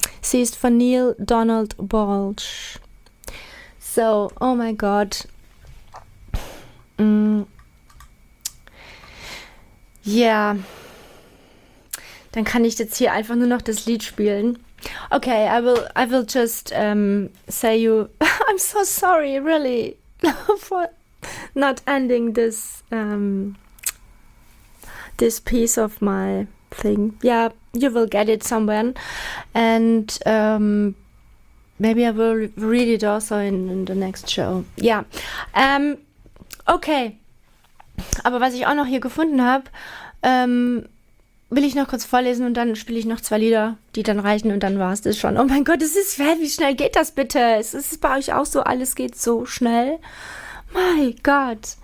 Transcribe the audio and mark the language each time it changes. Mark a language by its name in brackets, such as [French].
[German] Sie ist von Neil Donald Walsh. So, oh mein Gott. Ja. Yeah. Dann kann ich jetzt hier einfach nur noch das Lied spielen. [English] Okay, I will just say you. I'm so sorry, really, for not ending this this piece of my thing. Yeah, you will get it somewhere, and maybe I will read it also in the next show. Yeah. Okay. [German] Aber was ich auch noch hier gefunden habe, will ich noch kurz vorlesen und dann spiele ich noch zwei Lieder, die dann reichen und dann war es das schon. Oh mein Gott, es ist fair, wie schnell geht das bitte? Es ist bei euch auch so, alles geht so schnell. [English] My God.